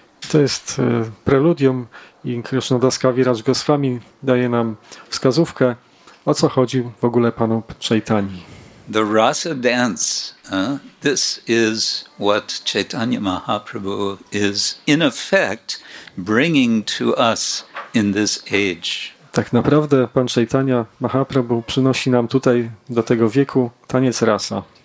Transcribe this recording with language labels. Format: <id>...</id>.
<pl>To jest preludium i Krishnadas Kaviraj Goswami daje nam wskazówkę, o co chodzi w ogóle panu Chaitanyi.</pl> <en>The rasa dance, this is what Chaitanya Mahaprabhu is in effect bringing to us in this age.</en> <pl>Tak naprawdę pan Chaitanya Mahaprabhu przynosi nam tutaj do tego wieku taniec rasa.</pl>